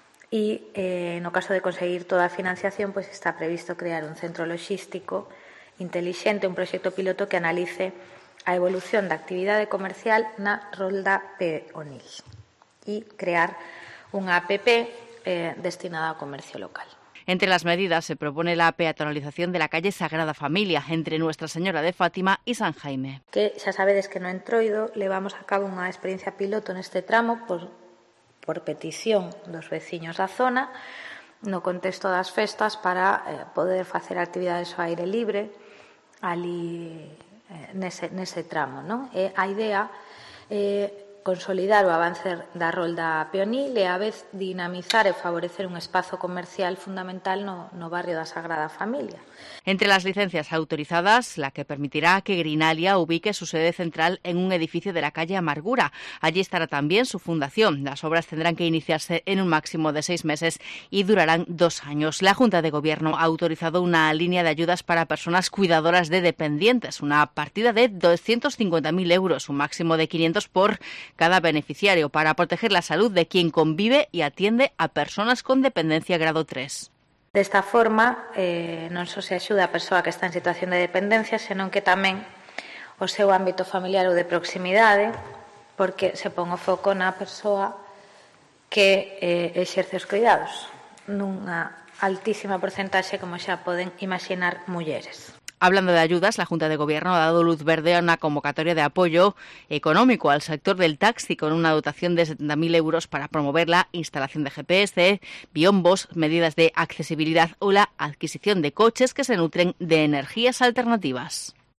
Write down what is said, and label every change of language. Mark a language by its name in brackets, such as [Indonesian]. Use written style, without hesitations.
[Spanish] Y en el caso de conseguir toda financiación, pues está previsto crear un centro logístico inteligente, [Galician] un proxecto piloto que analice a evolución da actividade comercial na Rolda Peonil e crear unha app destinada ao comercio local. [Spanish] Entre las medidas se propone la peatonalización de la calle Sagrada Familia entre Nuestra Señora de Fátima y San Jaime. [Galician] Que xa sabedes que no entroido levamos a cabo unha experiencia piloto neste tramo por petición dos veciños da zona no contexto das festas para poder facer actividades ao aire libre ali nese tramo, non? E a idea é consolidar o avance da Rolda Peonil e a vez dinamizar e favorecer un espazo comercial fundamental no barrio da Sagrada Familia. [Spanish] Entre las licencias autorizadas, la que permitirá que Grinalia ubique su sede central en un edificio de la calle Amargura. Allí estará también su fundación. Las obras tendrán que iniciarse en un máximo de 6 meses y durarán 2 años. La Junta de Gobierno ha autorizado una línea de ayudas para personas cuidadoras de dependientes, una partida de 250.000 euros, un máximo de 500 por cada beneficiario, para proteger la salud de quien convive y atiende a personas con dependencia grado 3. [Galician] Desta forma, non só se axuda a persoa que está en situación de dependencia, senón que tamén o seu ámbito familiar ou de proximidade, porque se pon o foco na persoa que exerce os cuidados, nunha altísima porcentaxe, como xa poden imaginar, mulleres. [Spanish] Hablando de ayudas, la Junta de Gobierno ha dado luz verde a una convocatoria de apoyo económico al sector del taxi con una dotación de 70.000 euros para promover la instalación de GPS, biombos, medidas de accesibilidad o la adquisición de coches que se nutren de energías alternativas.